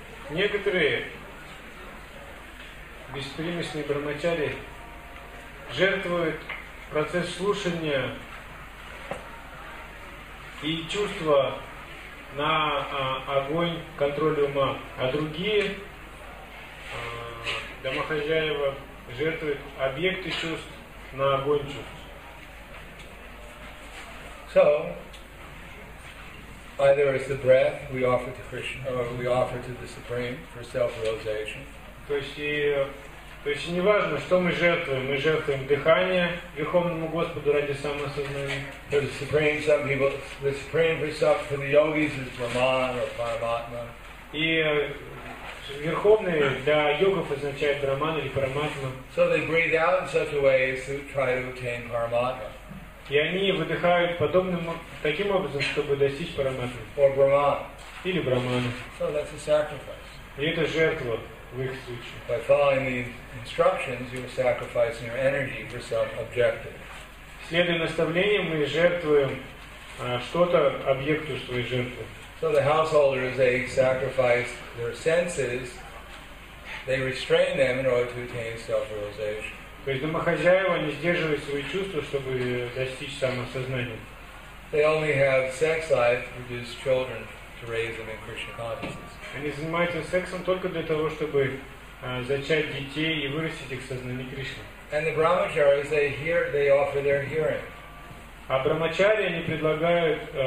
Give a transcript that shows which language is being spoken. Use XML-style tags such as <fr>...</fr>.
<ru>некоторые беспримесные брахмачари жертвуют процесс слушания и чувства на огонь контроля ума, а другие домохозяева жертвуют объекты чувств на огонь чувств.</ru> <en>So, either it's the breath we offer to Krishna, or we offer to the Supreme for self-realization.</en> <ru>То есть неважно, что мы жертвуем дыхание Верховному Господу ради самосознания.</ru> <en>For the Supreme, some people, the Supreme for self, for the yogis is Brahman or Paramatma.</en> <ru>И Верховный для йогов означает Брахман или Параматма.</ru> <en>So they breathe out in such a way as to try to attain Paramatma.</en> <ru>И они выдыхают подобным таким образом, чтобы достичь параматмы.</ru> <en>Or Brahman.</en> <ru>Или Брахмана.</ru> <en>So that's a sacrifice.</en> <ru>И это жертва в их случае.</ru> <en>By following the instructions, you're sacrificing your energy for some objective.</en> <ru>Следуя наставлениям, мы жертвуем что-то объекту своей жертвы.</ru> <en>So the householders, they sacrifice their senses, they restrain them in order to attain self-realization.</en> <ru>То есть домохозяева не сдерживают свои чувства, чтобы достичь самосознания.</ru> <en>They only have sex life, which is children, to raise them in Krishna consciousness.</en> <ru>Они занимаются сексом только для того, чтобы зачать детей и вырастить их в сознании Кришны.</ru> <en>And the brahmacharis, they hear, they offer their hearing.</en> <ru>А брахмачари, они предлагают</ru>